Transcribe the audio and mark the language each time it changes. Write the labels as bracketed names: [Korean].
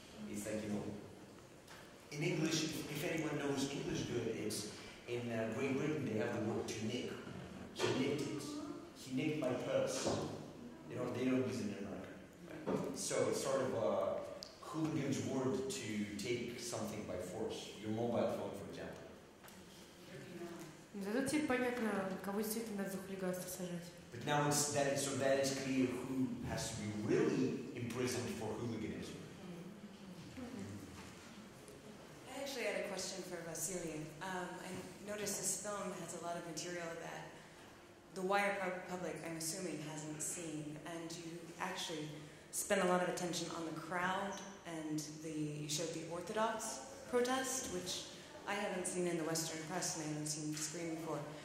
[English] It's like, you know, in English, if anyone knows English good, it's in Great Britain, they have the word to nick. He nicked it. He nicked my purse. They don't use it in America. So it's sort of a hooligan's word to take something by force, your mobile phone, for example. [Russian] Зато теперь понятно, кого действительно надо за хулиганство сажать. [English] But now it's that it's, so that it's clear who has to be really imprisoned for hooliganism. Mm-hmm. I actually had a question for Vasily. I noticed this film has a lot of material that the wider public, I'm assuming, hasn't seen, and you actually spent a lot of attention on the crowd and you showed the Orthodox protest, which I haven't seen in the Western press, and I haven't seen the screen before.